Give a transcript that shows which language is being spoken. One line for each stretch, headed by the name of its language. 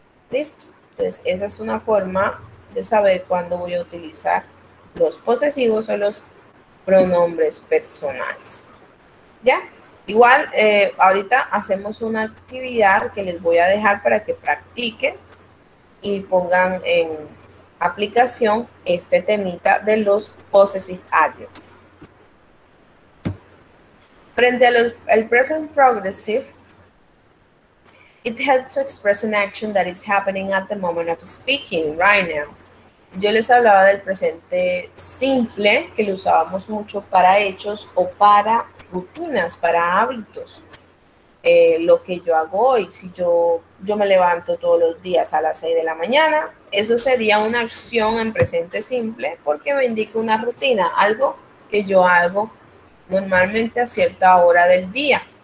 Spanish: Listo. Entonces esa es una forma de saber cuándo voy a utilizar los posesivos o los pronombres personales. ¿Ya? Igual, ahorita hacemos una actividad que les voy a dejar para que practiquen y pongan en aplicación este temita de los possessive adjectives. Frente al
English: present progressive, it helps to express an action that is happening at the moment of speaking, right now.
Spanish: Yo les hablaba del presente simple, que lo usábamos mucho para hechos o para rutinas, para hábitos. Lo que yo hago hoy, si yo me levanto todos los días a las 6 de la mañana, eso sería una acción en presente simple porque me indica una rutina, algo que yo hago normalmente a cierta hora del día.